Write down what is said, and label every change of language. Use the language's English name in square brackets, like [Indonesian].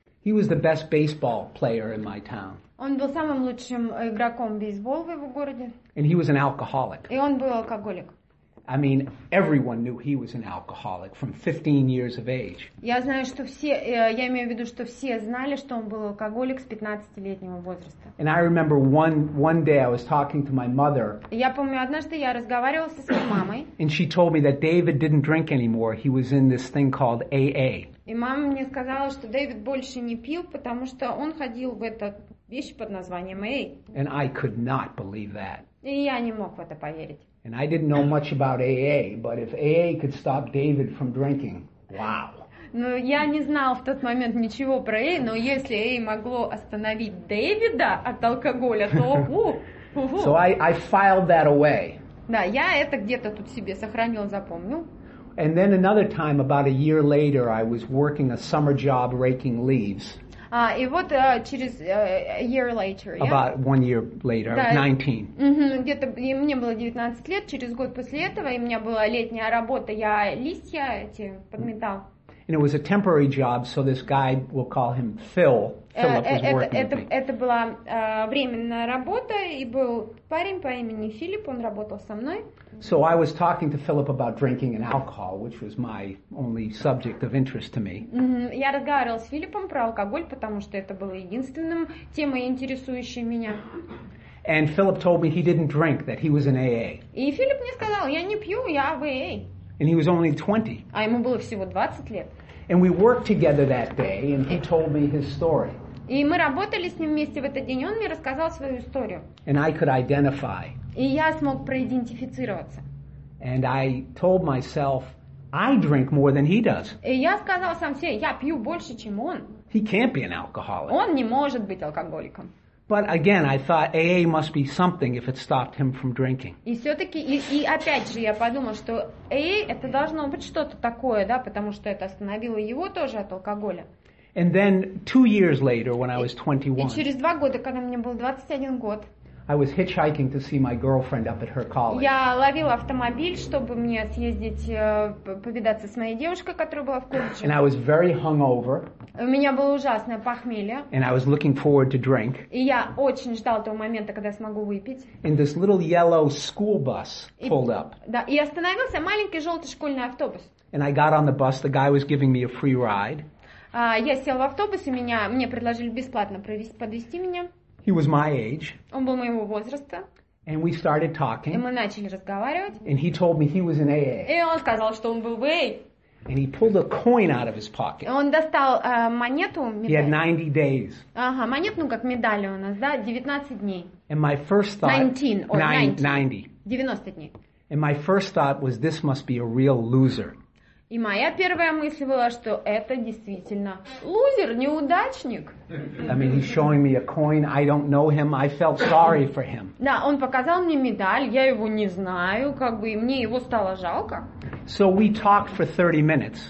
[English] He was the best baseball player in my town. [Russian] Он был самым лучшим игроком бейсбола в его городе. [English] And he was an alcoholic. [Russian] И он был алкоголик. [English] I mean, everyone knew he was an alcoholic from 15 years of age. [Russian] Я знаю, что все, я имею в виду, что все знали, что он был алкоголик с 15-летнего возраста. [English] And I remember one day I was talking to my mother. [Russian] Я помню, однажды я разговаривала со своей мамой. [English] And she told me that David didn't drink anymore. He was in this thing called AA. [Russian] И мама мне сказала, что Дэвид больше не пил, потому что он ходил в эту вещь под названием AA. [English] And I could not believe that. [Russian] И я не мог в это поверить. [English] And I didn't know much about AA, but if AA could stop David from drinking, wow. [Russian] Ну, я не знал в тот момент ничего про AA, но если AA могло остановить Дэвида от алкоголя, то [English] So I filed that away. [Russian] Да, я это где-то тут себе сохранил, запомнил. [English] And then another time, about a year later, I was working a summer job raking leaves. [Russian] И вот через [English] a year later, yeah? About one year later, [Russian] да, 19. Где-то мне было 19 лет, через год после этого, и у меня была летняя работа, я листья эти подметал. [English] And it was a temporary job, so this guy, we'll call him Phil, Philip was working with me. [Russian] Это была временная работа, и был парень по имени Филипп, он работал со мной. [English] So I was talking to Philip about drinking and alcohol, which was my only subject of interest to me. [Russian] Я разговаривал с Филиппом про алкоголь, потому что это было единственным темой, интересующей меня. [English] And Philip told me he didn't drink, that he was in AA. [Russian] И Филипп мне сказал, я не пью, я в AA. [English] And he was only 20. [Russian] А ему было всего 20 лет. [English] And we worked together that day, and he told me his story. [Russian] И мы работали с ним вместе в этот день, и он мне рассказал свою историю. [English] And I could identify. [Russian] И я смог проидентифицироваться. [English] And I told myself, I drink more than he does. [Russian] И я сказал сам себе, я пью больше, чем он. [English] He can't be an alcoholic. [Russian] Он не может быть алкоголиком. [English] But again, I thought AA must be something if it stopped him from drinking. [Russian] И все-таки, и опять же, я подумал, что AA это должно быть что-то такое, да, потому что это остановило его тоже от алкоголя. [English] And then 2 years later, when I was 21. [Russian] И через два года, когда мне было 21 год. [English] I was hitchhiking to see my girlfriend up at her college. [Russian] Я ловил автомобиль, чтобы мне съездить повидаться с моей девушкой, которая была в колледже. [English] And I was very hungover. [Russian] У меня было ужасное похмелье. [English] And I was looking forward to drink. [Russian] И я очень ждал того момента, когда смогу выпить. [English] And this little yellow school bus pulled up. [Russian] Да, и остановился маленький желтый школьный автобус. [English] And I got on the bus. The guy was giving me a free ride. [Russian] Я сел в автобус, и мне предложили бесплатно подвезти меня. [English] He was my age. [Russian] Он был моего возраста. [English] And we started talking. [Russian] И мы начали разговаривать. [English] And he told me he was in AA. [Russian] И он сказал, что он был в AA. [English] And he pulled a coin out of his pocket. [Russian] Он достал монету. [English] He had 90 days. [Russian] Ага, монету, ну как медаль у нас, да, 19 дней. [English] And my first thought. [Russian] 90. 90 дней. [English] And my first thought was this must be a real loser. [Russian] И моя первая мысль была, что это действительно лузер, неудачник. [English] I mean, he's showing me a coin. I don't know him. I felt sorry for him. [Russian] Да, он показал мне медаль. Я его не знаю, как бы, и мне его стало жалко. [English] So we talked for 30 minutes.